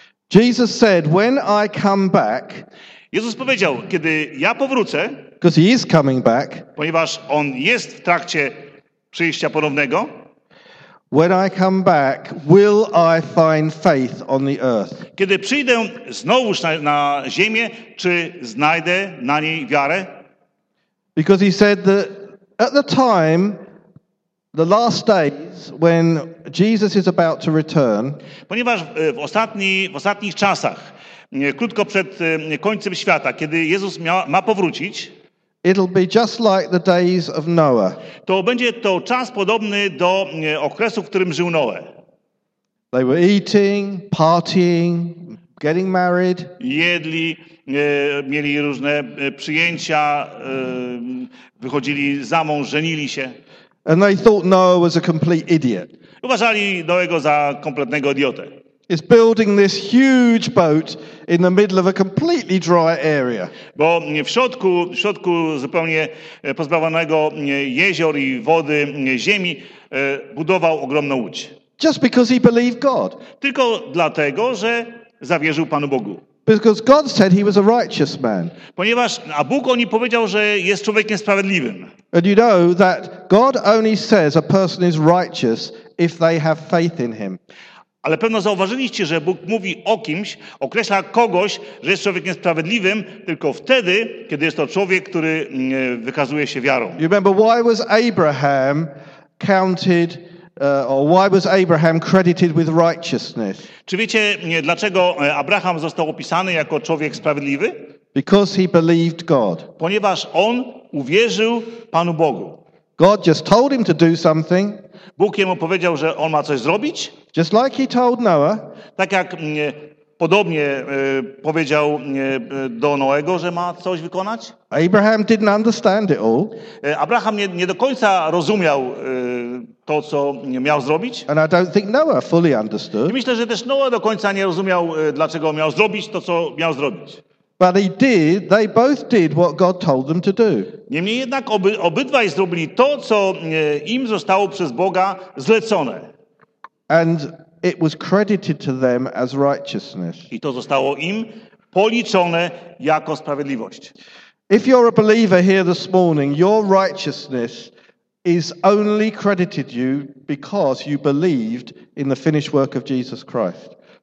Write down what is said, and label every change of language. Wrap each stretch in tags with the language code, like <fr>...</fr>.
<en>Jesus said, when I come back,</en> <pl>Jezus powiedział, kiedy ja powrócę,</pl> <en>because he is coming back,</en> <pl>ponieważ on jest w trakcie przyjścia ponownego,</pl> <en>when I come back, will I find faith on the earth?</en> <pl>Kiedy przyjdę znowuż na ziemię, czy znajdę na niej wiarę?</pl> <en>Because he said that at the time, the last days, when Jesus is about to return,</en> <pl>ponieważ w ostatnich czasach, krótko przed końcem świata, kiedy Jezus ma powrócić,</pl> <en>it'll be just like the days of Noah.</en> <pl>To będzie to czas podobny do okresu, w którym żył Noe.</pl> <en>They were eating, partying, getting married.</en> <pl>Jedli, mieli różne przyjęcia, wychodzili za mąż, żenili się.</pl> <en>And they thought Noah was a complete idiot.</en> <pl>Uważali Noego za kompletnego idiotę.</pl> <en>Is building this huge boat in the middle of a completely dry area.</en> <pl>Bo w środku zupełnie pozbawionego jezior i wody, ziemi, budował ogromną łódź.</pl> <en>Just because he believed God.</en> <pl>Tylko dlatego, że zawierzył Panu Bogu.</pl> <en>Because God said he was a righteous man.</en> <pl>Ponieważ a Bóg o nim powiedział, że jest człowiekiem sprawiedliwym.</pl> <en>And you know that God only says a person is righteous if they have faith in him.</en> <pl>Ale pewno zauważyliście, że Bóg mówi o kimś, określa kogoś, że jest człowiekiem sprawiedliwym, tylko wtedy, kiedy jest to człowiek, który wykazuje się wiarą.</pl> <en>You remember why was Abraham counted or why was Abraham credited with righteousness?</en> <pl>Czy wiecie, dlaczego Abraham został opisany jako człowiek sprawiedliwy?</pl> <en>Because he believed God.</en> <pl>Ponieważ on uwierzył Panu Bogu.</pl> <en>God just told him to do something.</en> <pl>Bóg jemu powiedział, że on ma coś zrobić.</pl> <en>Just like he told Noah,</en> <pl>tak jak podobnie powiedział do Noego, że ma coś wykonać.</pl> <en>Abraham didn't understand it all.</en> <pl>Abraham nie do końca rozumiał to, co miał zrobić.</pl> <en>And I don't think Noah fully understood.</en> <pl>I myślę, że też Noah do końca nie rozumiał, dlaczego miał zrobić to, co miał zrobić.</pl> <en>But he did. They both did what God told them to do.</en> <pl>Niemniej jednak obydwaj zrobili to, co im zostało przez Boga zlecone.</pl> <en>And it was credited to them as righteousness.</en> <pl>I to zostało im policzone jako sprawiedliwość.</pl> <en>If you're a believer here this morning, your righteousness is only credited you because you believed in the finished work of Jesus Christ.</en>